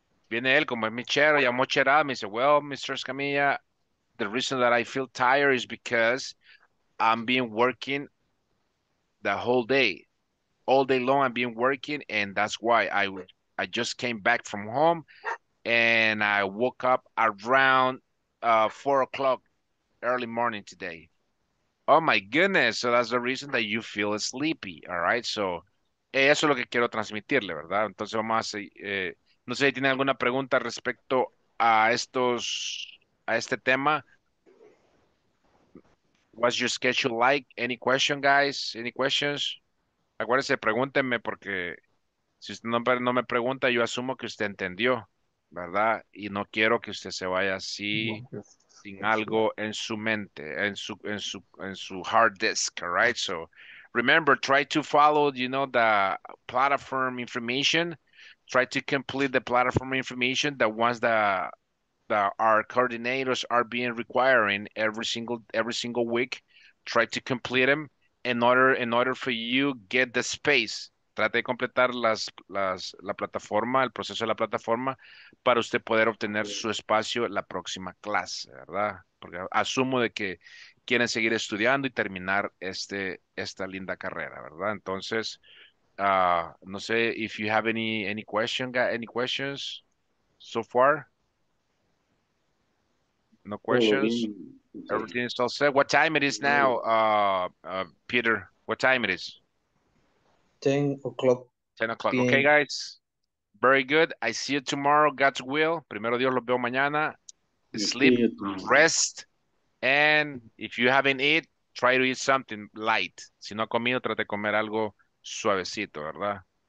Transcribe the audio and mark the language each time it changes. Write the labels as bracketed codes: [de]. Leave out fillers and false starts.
[es] Viene él, como es michero, ya mocherado, me dice, [en] well, Mr. Escamilla, the reason that I feel tired is because I've been working the whole day. All day long I've been working, and that's why I just came back from home, and I woke up around 4 o'clock early morning today. Oh, my goodness. So that's the reason that you feel sleepy, all right? [es] So eso es lo que quiero transmitirle, ¿verdad? Entonces vamos a seguir. No sé si tiene alguna pregunta respecto a estos, a este tema. [en] What's your schedule like? Any question, guys? Any questions? [es] Acuérdense, pregúntenme porque si usted no me pregunta, yo asumo que usted entendió, ¿verdad? Y no quiero que usted se vaya así sin algo en su mente, en su hard disk, [en] all right? So, remember, try to follow, you know, the platform information. Try to complete the platform information, the ones that our coordinators are being requiring every single week. Try to complete them in order for you get the space. [es] Trate de completar la plataforma, el proceso de la plataforma, para usted poder obtener su espacio la próxima clase, ¿verdad? Porque asumo de que quieren seguir estudiando y terminar esta linda carrera, ¿verdad? Entonces, no sé [en] if you have any question, any questions so far? No questions? Everything is all set. What time it is now, Peter? What time it is? 10 o'clock. 10 o'clock. PM. Okay, guys. Very good. I see you tomorrow. God's will. [es] Primero Dios los veo mañana. [en] Sleep, rest. And if you haven't eaten, try to eat something light. [es] Si no ha comido, trate de comer algo suavecito, ¿verdad?